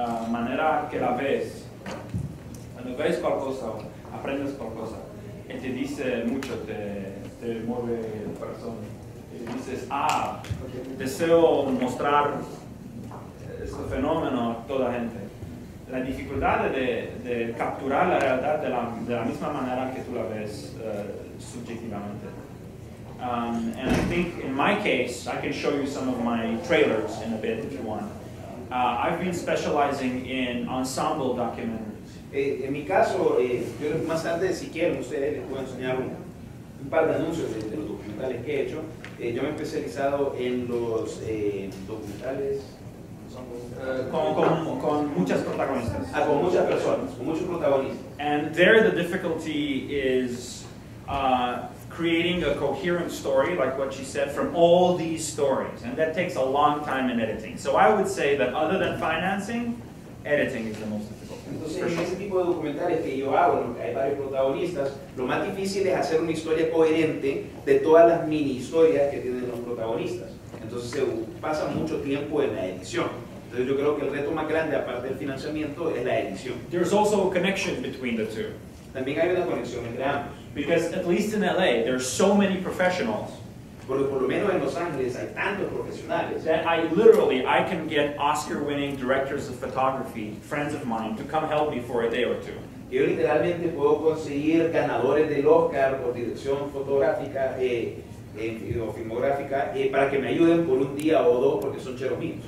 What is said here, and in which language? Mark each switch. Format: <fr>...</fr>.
<es>manera que la ves, cuando ves cual cosa, aprendes cual cosa, y te dice mucho, te mueve el corazón, y dices, deseo mostrar este fenómeno a toda gente. La dificultad de capturar la realidad de la misma manera que tú la ves subjetivamente.</es> <en>And I think in my case, I can show you some of my trailers in a bit if you want. I've been specializing in ensemble documentaries.</en> <es>En mi caso, yo más tarde, si quieren, ustedes les puedo enseñar un par de anuncios de los documentales que he hecho. Yo me he especializado en los documentales con muchas protagonistas. Con muchas personas, con muchos protagonistas.</es> <en>And there the difficulty is creating a coherent story, like what she said, from all these stories. And that takes a long time in editing. So I would say that other than financing, editing is the most difficult.</en> <es>Entonces, en ese tipo de documentales que yo hago, ¿no? Hay varios protagonistas, lo más difícil es hacer una historia coherente de todas las mini historias que tienen los protagonistas. Entonces, se pasa mucho tiempo en la edición. Entonces, yo creo que el reto más grande, aparte del financiamiento, es la edición.</es> <en>There's also a connection between the two.</en> <es>También hay una conexión entre ambos.</es> <en>Because at least in LA, there are so many professionals.</en> <es>Porque por lo menos en Los Ángeles hay tantos profesionales.</es> <en>That I can get Oscar-winning directors of photography, friends of mine, to come help me for a day or two.</en> <es>Yo literalmente puedo conseguir ganadores del Oscar por dirección fotográfica o filmográfica para que me ayuden por un día o dos porque son cheros míos.</es>